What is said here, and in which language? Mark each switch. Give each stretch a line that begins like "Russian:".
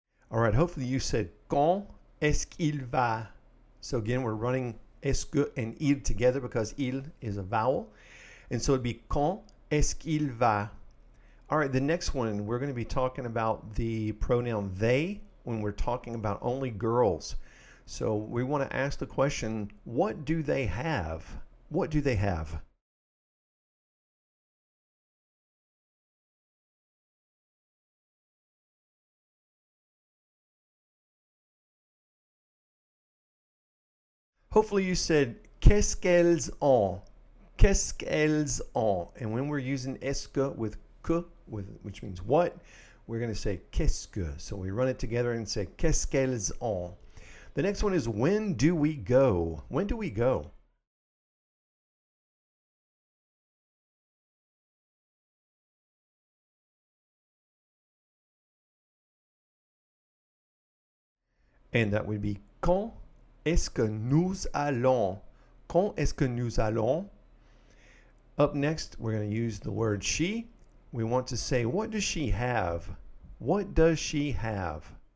English: All right, hopefully you said,
French: quand est-ce qu'il va?
English: So again, we're running est-ce que and il together because il is a vowel. And so it'd be,
French: quand est-ce qu'il va?
English: All right, the next one, we're going to be talking about the pronoun they when we're talking about only girls. So we want to ask the question, what do they have? What do they have? Hopefully you said,
French: qu'est-ce qu'elles ont? Qu'est-ce qu'elles ont?
English: And when we're using est-ce que with que, which means what, we're going to say qu'est-ce que. So we run it together and say,
French: qu'est-ce qu'elles ont?
English: The next one is, when do we go? When do we go? And that would be,
French: quand est-ce que nous allons? Quand est-ce que nous allons?
English: Up next, we're going to use the word she. We want to say, what does she have? What does she have?